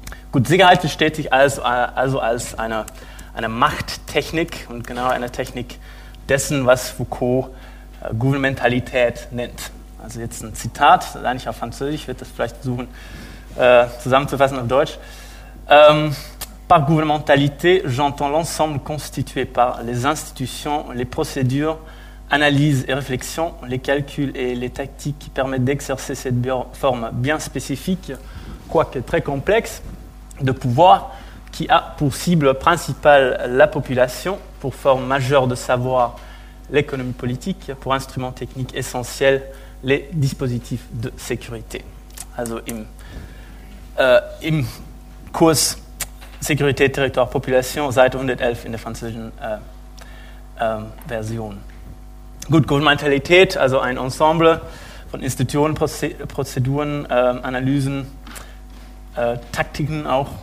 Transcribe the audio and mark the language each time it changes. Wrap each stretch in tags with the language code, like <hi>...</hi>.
<de>Gut, Sicherheit versteht sich als eine Machttechnik und genau eine Technik dessen, was Foucault Gouvernementalität nennt. Also jetzt ein Zitat, eigentlich auf Französisch, wird das vielleicht versuchen zusammenzufassen auf Deutsch.</de> <fr>Par gouvernementalité, j'entends l'ensemble constitué par les institutions, les procédures, analyse et réflexion, les calculs et les tactiques qui permettent d'exercer cette forme bien spécifique, quoique très complexe, de pouvoir qui a pour cible principale la population, pour forme majeure de savoir l'économie politique, pour instrument technique essentiel les dispositifs de sécurité.</fr> <de>Also im Kurs Sécurité, territoire, population, Seite 111 in der französischen Version. Gut, Gouvernementalität, also ein Ensemble von Institutionen, Prozeduren, Analysen, Taktiken auch.</de>